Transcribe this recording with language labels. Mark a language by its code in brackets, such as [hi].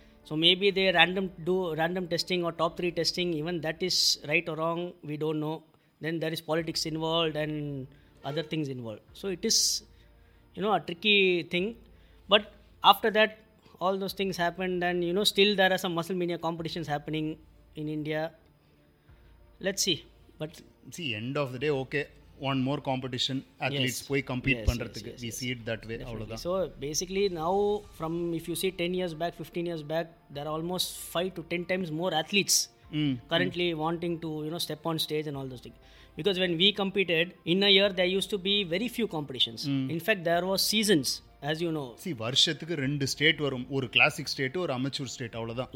[en] So maybe they do random testing or top three testing, even that is right or wrong, we don't know. Then there is politics involved and other things involved. So it is, you know, a tricky thing. But after that, all those things happened and, you know, still there are some muscle mania competitions happening in India. Let's see. But see, end of the day, okay. One more competition, athletes [ta] போய் compete பண்ணுறதுக்கு, [en] we see it that way, அவ்வளோதான். So basically now, from if you see 10 years back, 15 years back, there are almost 5 to 10 times more athletes currently wanting to, you know, step on stage and all those things. Because when we competed, in a year, there used to be very few competitions. In fact, there were seasons, as you know. [ta] See, வருஷத்துக்கு ரெண்டு state வரும், ஒரு classic state ஒரு amateur state, அவ்வளோதான்.